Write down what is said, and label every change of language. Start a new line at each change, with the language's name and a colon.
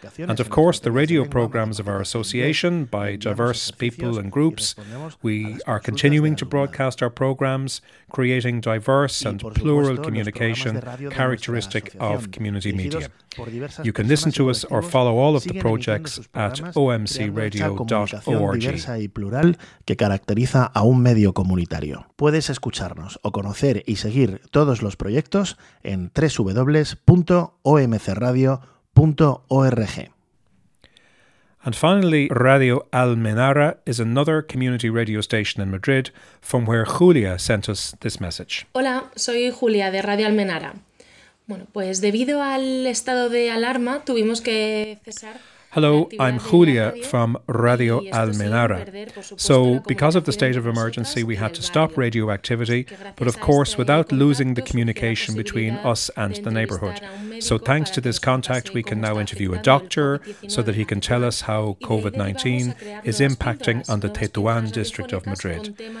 English: And of course, the radio programs of our association by diverse people and groups, we are continuing to broadcast our programs, creating diverse and plural communication characteristic of community media. You can listen to us or follow all of the projects at omcradio.org.
Spanish: A un medio comunitario. Puedes escucharnos o conocer y seguir todos los proyectos en www.omcradio.org.
English: And finally, Radio Almenara is another community radio station in Madrid, from where Julia sent us this message.
Spanish: Hola, soy Julia de Radio Almenara. Bueno, pues debido al estado de alarma, tuvimos que cesar.
English: Hello, I'm Julia from Radio Almenara. So, because of the state of emergency, we had to stop radio activity, but of course without losing the communication between us and the neighbourhood. So thanks to this contact, we can now interview a doctor so that he can tell us how COVID-19 is impacting on the Tetuán district of Madrid.